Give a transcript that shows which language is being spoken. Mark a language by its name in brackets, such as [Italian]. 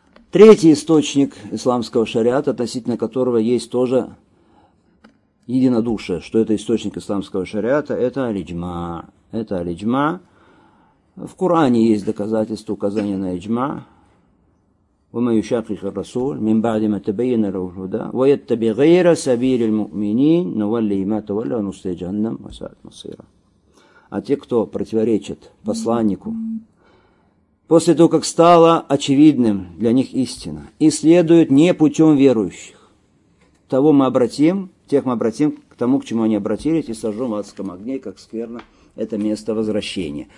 [Russian] Третий источник исламского шариата, относительно которого есть тоже единодушие, что это источник исламского шариата, это аль-иджма. Это аль-иджма. В Коране есть доказательства указания на аль-иджма. [Arabic] وما يشاقق الرسول من بعد ما تبين له الهدى ويتبع غير سبيل المؤمنين نولي ما تولى ونصلي جهنم وساءت مصيرا. [Russian] А те, кто противоречит посланнику, после того, как стало очевидным для них истина, и следует не путем верующих, того мы обратим, тех мы обратим к тому, к чему они обратились, и сожжем в адском огне, как скверно это место возвращения.